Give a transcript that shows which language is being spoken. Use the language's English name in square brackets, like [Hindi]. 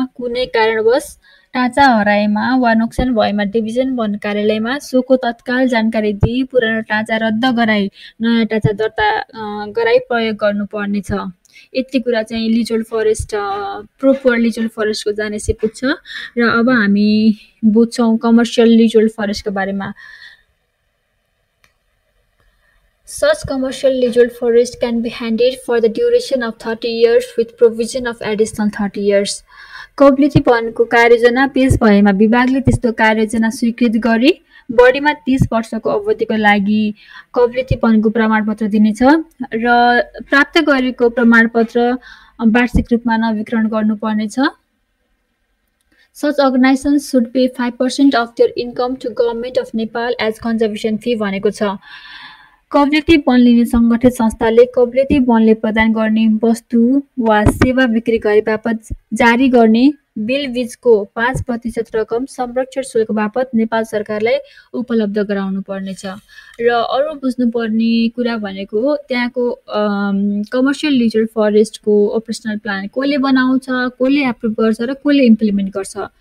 [Nepali] कुनै कारणवश ढाँचा हराएमा वा नोक्सान भएमा डिभिजन वन कार्यालयमा सोको तत्काल जानकारी दिई पुरानो ढाँचा रद्द गराई नयाँ ढाँचा दर्ता गराई प्रयोग गर्नुपर्नेछ. यति कुरा चाहिँ लिजोल फरेस्ट प्रोपर लिजोल फरेस्टको जानेसी पुग्छ. र अब हामी बुझ्छौँ कमर्सियल लिजोल फरेस्टको बारेमा. [English] Such commercial leasehold forest can be handed for the duration of 30 years with provision of additional 30 years. [Nepali] कबुलेती वनको कार्ययोजना पेश भएमा विभागले त्यस्तो कार्ययोजना स्वीकृत गरी बढीमा 30 वर्षको अवधिको लागि कबुलेती वनको प्रमाणपत्र दिनेछ. र प्राप्त गरेको प्रमाणपत्र वार्षिक रूपमा नवीकरण गर्नुपर्नेछ. [English] Such organizations should pay 5% of their income to government of Nepal as conservation fee [Nepali] भनेको छ. कबुलेती वन लिने सङ्गठित संस्थाले कबुलेती वनले प्रदान गर्ने वस्तु वा सेवा बिक्री गरे बापत जारी गर्ने बिल बिचको 5% रकम संरक्षण शुल्क बापत नेपाल सरकारलाई उपलब्ध गराउनु पर्नेछ. र अरू बुझ्नुपर्ने कुरा भनेको त्यहाँको कमर्सियल लिजर फरेस्टको अपरेसनल प्लान कसले बनाउँछ, कसले एप्रुभ गर्छ र कसले इम्प्लिमेन्ट गर्छ.